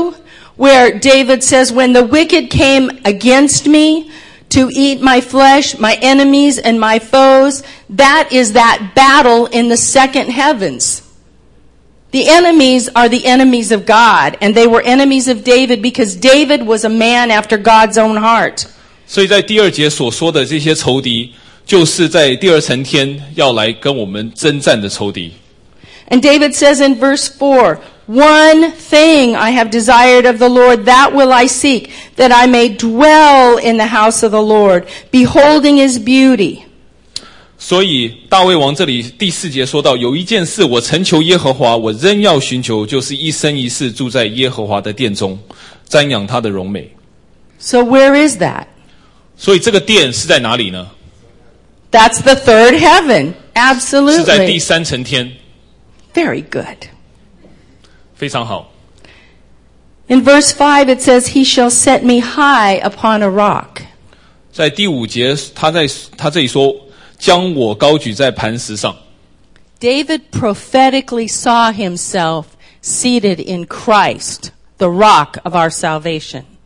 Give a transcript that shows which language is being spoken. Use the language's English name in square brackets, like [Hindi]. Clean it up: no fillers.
[English] Where David says, when the wicked came against me to eat my flesh, my enemies and my foes, that is that battle in the second heavens. The enemies are the enemies of God, and they were enemies of David because David was a man after God's own heart. [Chinese] 所以在第二节所说的这些仇敌，就是在第二层天要来跟我们征战的仇敌。 [English] And David says in verse 4,One thing I have desired of the Lord, that will I seek, that I may dwell in the house of the Lord, beholding his beauty. [Chinese] 所以大卫王这里第四节说到，有一件事我诚求耶和华，我仍要寻求，就是一生一世住在耶和华的殿中，瞻仰他的荣美。 [English] So where is that? [Chinese] 所以这个殿是在哪里呢？ [English] That's the third heaven, absolutely. [Chinese] 是在第三层天。 [English] Very good. [Chinese] 非常好。 [English] In verse 5, it says, He shall set me high upon a rock. [Chinese] 在第五节，他这里说，将我高举在磐石上。 [English] David prophetically saw himself seated in Christ, the rock of our salvation.